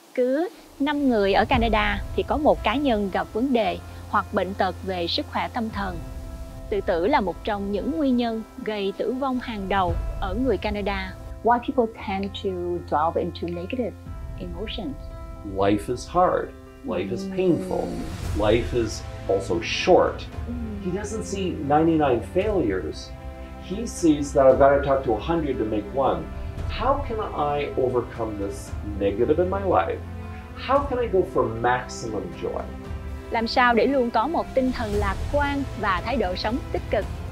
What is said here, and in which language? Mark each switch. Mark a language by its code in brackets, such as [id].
[vi] cứ 5 người ở Canada thì có một cá nhân gặp vấn đề hoặc bệnh tật về sức khỏe tâm thần. Tự tử là một trong những nguyên nhân gây tử vong hàng đầu ở người Canada. [en] Why people tend to delve into negative emotions? Life is hard. Life is painful. Life is also short. He doesn't see 99 failures. He sees that I've got to talk to 100 to make one. How can I overcome this negative in my life? How can I go for maximum joy? [vi] Làm sao để luôn có một tinh thần lạc quan và thái độ sống tích cực?